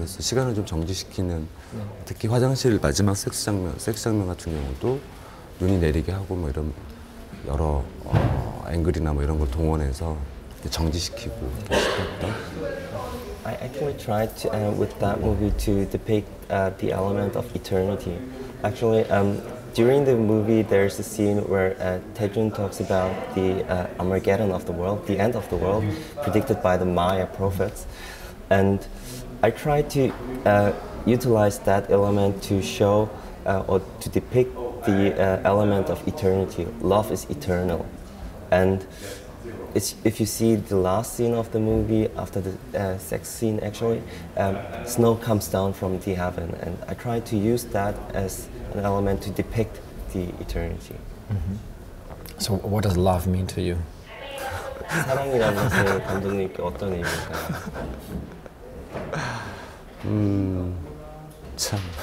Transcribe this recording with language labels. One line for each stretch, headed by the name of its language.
Korean: 그래서 시간을 좀 정지시키는, 특히 화장실 마지막 섹스 장면 같은 경우도 눈이 내리게 하고 뭐 이런 여러 앵글이나 뭐 이런 걸 동원해서 정지시키고 싶었던.
English: I actually tried to with that movie to depict the element of eternity. Actually, during the movie, there's a scene where Tae-jun talks about the Armageddon of the world, the end of the world, predicted by the Maya prophets. And I tried to utilize that element to show or to depict the element of eternity. Love is eternal. And it's, if you see the last scene of the movie, after the sex scene actually, snow comes down from the heaven. And I tried to use that as an element to depict the eternity. Mm-hmm. So what does love mean to you?
Korean: 사랑이라는 것은 감독님께 어떤 의미인가요? 참.